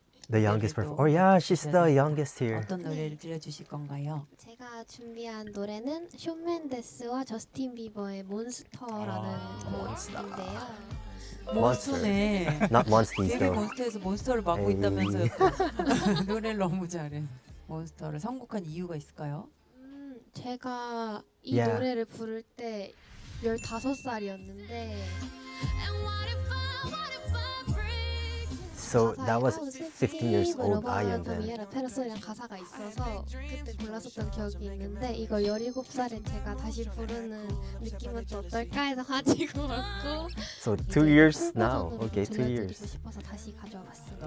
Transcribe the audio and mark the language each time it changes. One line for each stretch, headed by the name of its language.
English: The youngest performer. Oh yeah, she's the youngest here.
Korean: 어떤 노래를 들려주실 건가요? 제가 준비한 노래는 숀 멘데스와 저스틴 비버의 몬스터라는 곡인데요. 몬스터네.
English: Not Monsters.
Korean: 데뷔 몬스터에서 몬스터를 맡고 있다면서요. 노래를 너무 잘해. 몬스터를 선곡한 이유가 있을까요? 제가 이 yeah. 노래를 부를 때 15살이었는데
English: So that was 15 years old Ahyeon then.
Korean: 위에 라페르소이랑 가사가 있어서 그때 불렀었던 기억이 있는데 이걸 17살에 제가 다시 부르는 느낌은 또 어떨까 해서 가지고 왔고.
English: So 2 years now. Okay, 2 years.
Korean: 싶어서 다시 가져왔습니다.